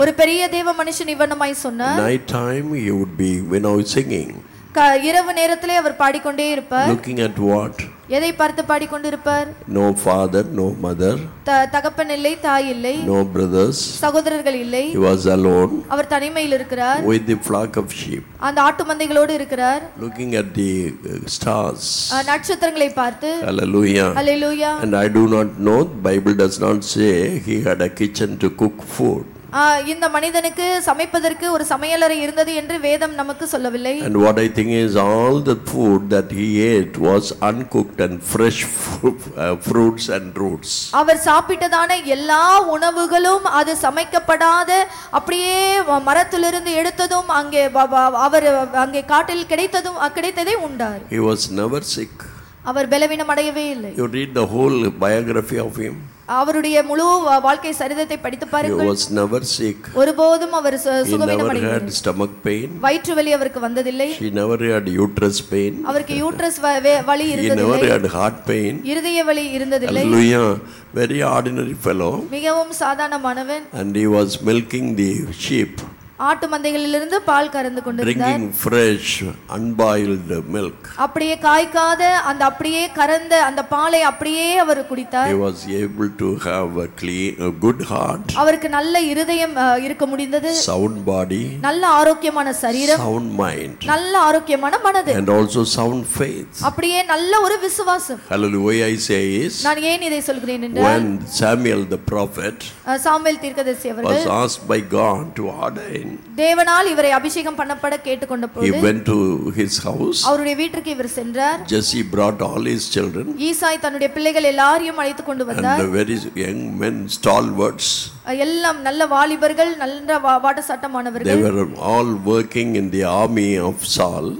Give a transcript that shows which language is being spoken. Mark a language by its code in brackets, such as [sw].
[ta] ஒரு பெரிய தேவ மனுஷன் இவனமாய் சொன்னார். [en] Night time he would be when he was singing. [ta] இரவு நேரத்திலே அவர் பாடிக்கொண்டே இருப்பார். [en] Looking at what? [ta] எதை பார்த்து பாடிக்கொண்டிருப்பார்? [en] No father, no mother. [ta] தகப்பன் இல்லை, தாய் இல்லை. [en] No brothers. [ta] சகோதரர்கள் இல்லை. [en] He was alone. [ta] அவர் தனிமையில் இருக்கிறார். [en] With the flock of sheep. [ta] அந்த ஆட்டு மந்தைகளோடு இருக்கிறார். [en] Looking at the stars. [ta] நட்சத்திரங்களை பார்த்து. [en] Hallelujah. Hallelujah. And I do not know, Bible does not say he had a kitchen to cook food. [ta] இந்த மனிதனுக்கு சமைப்பதற்கு ஒரு சமையலறை இருந்தது என்று வேதம் நமக்கு சொல்லவில்லை. [en] And what I think is all the food that he ate was uncooked and fresh fruits and roots. [ta] அவர் சாப்பிட்டதான எல்லா உணவுகளும் அது சமைக்கப்படாத அப்படியே மரத்திலிருந்து எடுத்ததும் அங்கே அவர் அங்கே காட்டில் கிடைத்ததும் கிடைத்ததே உண்டார். [en] He was never sick. [ta] அவர் பலவீனம் அடையவே இல்லை. [en] You read the whole biography of him. [ta] அவருடைய முழு வாழ்க்கை சரிதத்தை படித்து பாருங்கள். [en] He was never sick. [ta] ஒருபோதும் அவர் சுகமில்லை. [en] He never had stomach pain. [ta] வயிற்று வலி அவருக்கு வந்ததில்லை. [en] She never had uterus pain. [ta] அவருக்கு யூட்ரஸ் வலி இருந்ததில்லை. [en] He never had heart pain. [ta] இருதய வலி இருந்ததில்லை. [en] Hallelujah. Very ordinary fellow. [ta] மிகவும் சாதாரணமானவன். [en] And he was milking the sheep. [ta] ஆட்டு மந்தைகளிலிருந்து பால் கறந்து கொண்டிருந்தார். [en] Drinking fresh unboiled milk. [ta] அப்படியே காய்க்காத அந்த அப்படியே கறந்த அந்த பாலை அப்படியே அவர் குடித்தார். [en] He was able to have a good heart. [ta] அவருக்கு நல்ல இதயம் இருக்க முடிந்தது. [en] Sound body. [ta] நல்ல ஆரோக்கியமான சரீரம். [en] Sound mind. [ta] நல்ல ஆரோக்கியமான மனது. [en] And also sound faith. [ta] அப்படியே நல்ல ஒரு விசுவாசம். [en] Hallelujah, I say is. [ta] நான் ஏன் இதை சொல்கிறேன் என்றால், [en] When Samuel the prophet. [ta] Samuel தீர்க்கதரிசி அவர்கள். [en] Was asked by God to order. [ta] தேவனால் இவரை அபிஷேகம் பண்ணப்பட கேட்டுக்கொண்ட போது, [en] He went to his house. [ta] அவருடைய வீட்டுக்கு இவர் சென்றார். [en] Jesse brought all his children. [ta] ஈசாய் தன்னுடைய பிள்ளைகள் எல்லாரையும் அழைத்து கொண்டு வந்தார். [en] And the very young men, stalwarts. [ta] எல்லாம் நல்ல வாலிபர்கள், நல்ல வாட சட்டமானவர்கள். [en] They were all working in the army of Saul.